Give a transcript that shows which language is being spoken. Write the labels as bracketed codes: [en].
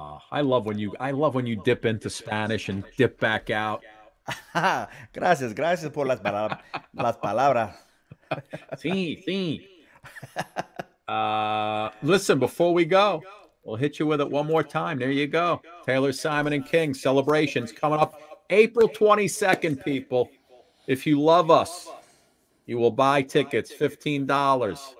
[en] I love when you dip into Spanish and dip back out. [es] gracias por las palabras. Sí. [en] Listen, before we go, we'll hit you with it one more time. There you go. Taylor, Simon, and King celebrations coming up April 22nd, people. If you love us, you will buy tickets, $15.